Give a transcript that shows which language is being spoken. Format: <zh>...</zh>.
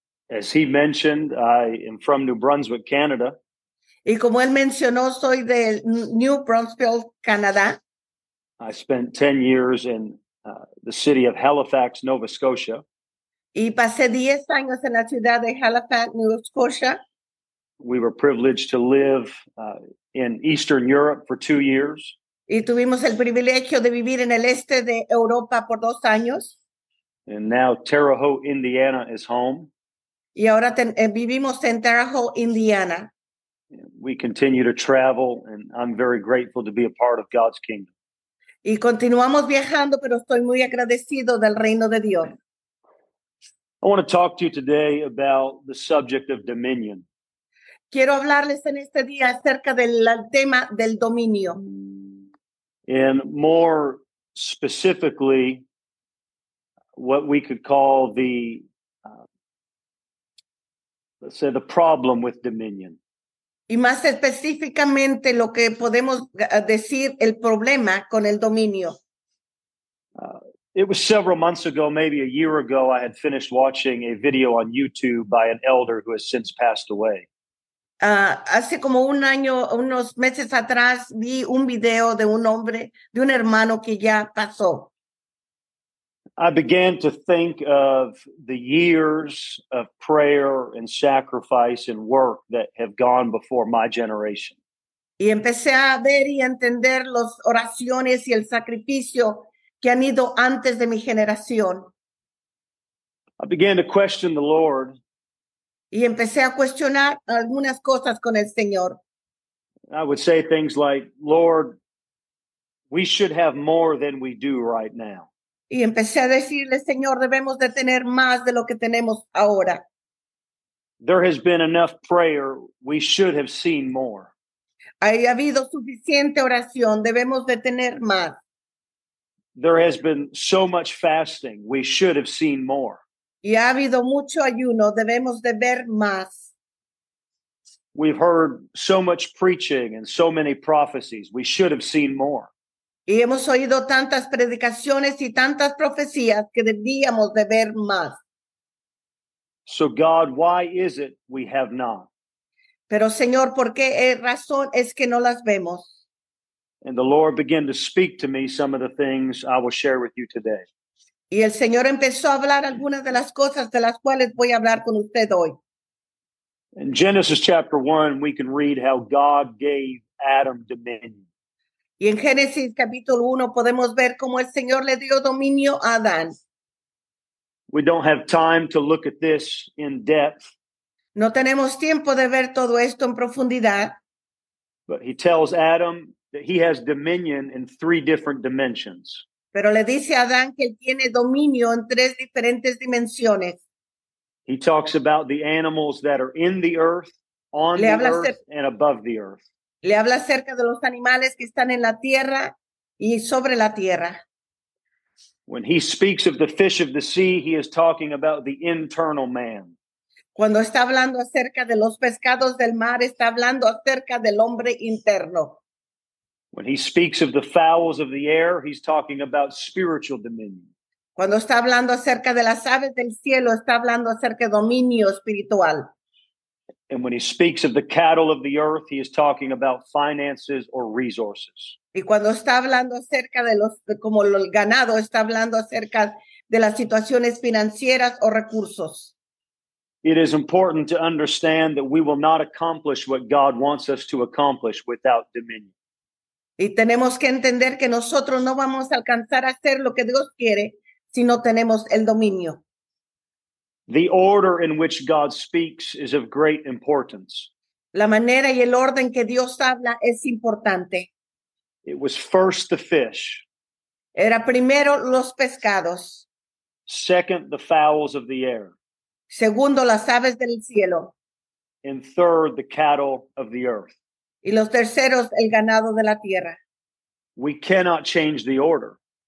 <en>As he mentioned, I am from New Brunswick, Canada.</en> <es>Y como él mencionó, soy de New Brunsfield, Canadá.</es> <en>I spent 10 years in the city of Halifax, Nova Scotia.</en> <es>Y pasé 10 años en la ciudad de Halifax, Nova Scotia.</es> <en>We were privileged to live in Eastern Europe for 2 years.</en> <es>Y tuvimos el privilegio de vivir en el este de Europa por 2 años.</es> <en>And now Terre Haute, Indiana is home.</en> <es>Y ahora vivimos en Terre Haute, Indiana.</es> <en>We continue to travel, and I'm very grateful to be a part of God's kingdom.</en> <es>Y continuamos viajando, pero estoy muy agradecido del reino de Dios.</es> <en>I want to talk to you today about the subject of dominion.</en> <es>Quiero hablarles en este día acerca del tema del dominio.</es> <en>And more specifically, what we could call the, let's say, the problem with dominion.</en> <es>Y más específicamente lo que podemos decir el problema con el dominio.</es> <en>It was several months ago, maybe a year ago, I had finished watching a video on YouTube by an elder who has since passed away.</en> <es>Hace como un año, unos meses atrás, vi un video de un hombre, de un hermano que ya pasó.</es> <en>I began to think of the years of prayer and sacrifice and work that have gone before my generation.</en> <es>Y empecé a ver y entender las oraciones y el sacrificio que han ido antes de mi generación.</es> <en>I began to question the Lord.</en> <es>Y empecé a cuestionar algunas cosas con el Señor.</es> <en>I would say things like, Lord, we should have more than we do right now.</en> <es>Y empecé a decirle, Señor, debemos de tener más de lo que tenemos ahora.</es> <en>There has been enough prayer. We should have seen more.</en> <es>Ha habido suficiente oración. Debemos de tener más.</es> <en>There has been so much fasting. We should have seen more.</en> <es>Y ha habido mucho ayuno. Debemos de ver más.</es> <en>We've heard so much preaching and so many prophecies. We should have seen more.</en> <es>Y hemos oído tantas predicaciones y tantas profecías que debíamos de ver más.</es> <en>So God, why is it we have not?</en> <es>Pero Señor, ¿por qué razón es que no las vemos?</es> <en>And the Lord began to speak to me some of the things I will share with you today.</en> <es>Y el Señor empezó a hablar algunas de las cosas de las cuales voy a hablar con usted hoy.</es> <en>In Genesis chapter 1, we can read how God gave Adam dominion.</en> <es>Y en Génesis capítulo 1 podemos ver cómo el Señor le dio dominio a Adán.</es> <en>We don't have time to look at this in depth.</en> <es>No tenemos tiempo de ver todo esto en profundidad.</es> <en>But he tells Adam that he has dominion in three different dimensions.</en> <es>Pero le dice a Adán que él tiene dominio en tres diferentes dimensiones.</es> <en>He talks about the animals that are in the earth, on the earth, and above the earth.</en> <es>Le habla acerca de los animales que están en la tierra y sobre la tierra.</es> <en>When he speaks of the fish of the sea, he is talking about the internal man.</en> <es>Cuando está hablando acerca de los pescados del mar, está hablando acerca del hombre interno.</es> <en>When he speaks of the fowls of the air, he's talking about spiritual dominion.</en> <es>Cuando está hablando acerca de las aves del cielo, está hablando acerca de dominio espiritual.</es> <en>And when he speaks of the cattle of the earth, he is talking about finances or resources.</en> <es>Y cuando está hablando acerca de los, como el ganado, está hablando acerca de las situaciones financieras o recursos.</es> <en>It is important to understand that we will not accomplish what God wants us to accomplish without dominion.</en> <es>Y tenemos que entender que nosotros no vamos a alcanzar a hacer lo que Dios quiere si no tenemos el dominio.</es> <en>The order in which God speaks is of great importance.</en> <es>La manera y el orden que Dios habla es importante.</es> <en>It was first the fish.</en> <es>Era primero los pescados.</es> <en>Second, the fowls of the air.</en> <es>Segundo, las aves del cielo.</es> <en>And third, the cattle of the earth.</en> <es>Y los terceros, el ganado de la tierra.</es> <en>We cannot change the order.</en>